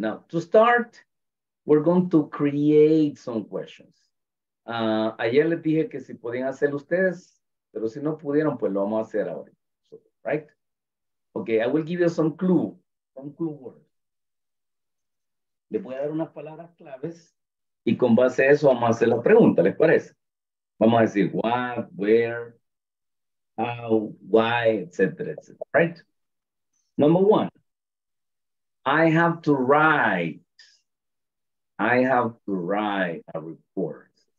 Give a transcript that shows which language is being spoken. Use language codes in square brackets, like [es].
[en] Now, to start, we're going to create some questions. [es] Ayer les dije que si podían hacerlo ustedes, pero si no pudieron, pues lo vamos a hacer ahora. [en] So, right? Okay, I will give you some clue words. [es] Les voy a dar unas palabras claves y con base a eso vamos a hacer la pregunta, ¿les parece? Vamos a decir what, where, how, why, etcétera, etcétera. [en] Right? Number one, I have to write a report.